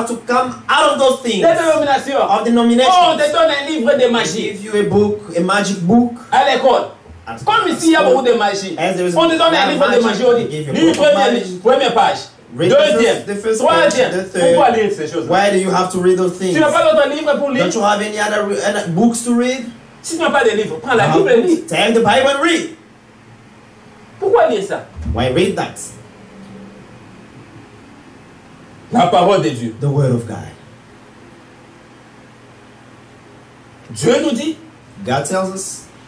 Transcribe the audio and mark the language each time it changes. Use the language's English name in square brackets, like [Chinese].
[English] How to come out of those things. [French] Des dénominations. [English] Of denominations. [French] Oh, on te donne un livre de magie. [English] Give you a book, a magic book. [French] À l'école. Comme ici, il y a beaucoup de magie. On te donne un livre de magie, on dit, lis première page, deuxième, troisième, pourquoi lire ces choses? [English] Why do you have to read those things? [French] Tu n'as pas d'autres livres pour lire? [English] Don't you have any other books to read? [French] Si tu n'as pas de livres, prends la Bible et lis. [English] Take the Bible and read. [French] Pourquoi lire ça? [English] Why read that? [French] La parole de Dieu. [English] The word of God. [French] Dieu nous dit. [English] God tells us.